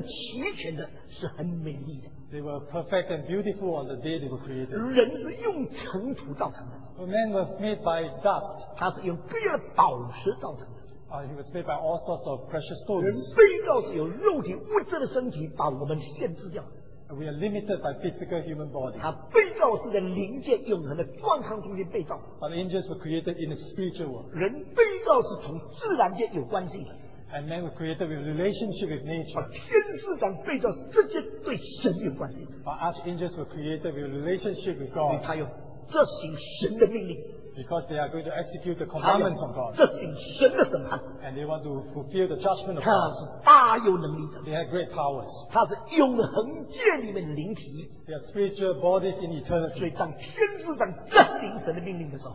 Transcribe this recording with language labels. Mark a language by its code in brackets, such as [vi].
[zh] 受造之的是很完全的，是很齐全的，是很美丽的。 [en] They were perfect and beautiful on the day they were created. [zh] 人是用尘土造成的。 [en] But men were made by dust. [zh] 他是用别的宝石造成的。 [en] He was made by all sorts of precious stones. [zh] 人被造是有肉体物质的身体把我们限制掉的。 [en] We are limited by physical human body. [zh] 它被造是在灵界永恒的状况中间被造。 [en] But angels were created in the spiritual world. [zh] 人被造是从自然界有关系的。 [en] And men were created with relationship with nature. [zh] 天使长被造直接对神有关系的。 [en] But archangels were created with relationship with God. [zh] 因为他有执行神的命令。 [en] Because they are going to execute the commandments of God. [zh] 执行神的审判。 [en] And they want to fulfill the judgment of God. [zh] 他是大有能力的。 [en] They have great powers. [zh] 他是永恒界里面的灵体。 [en] They are spiritual bodies in eternity. [zh] 所以当天使长执行神的命令的时候,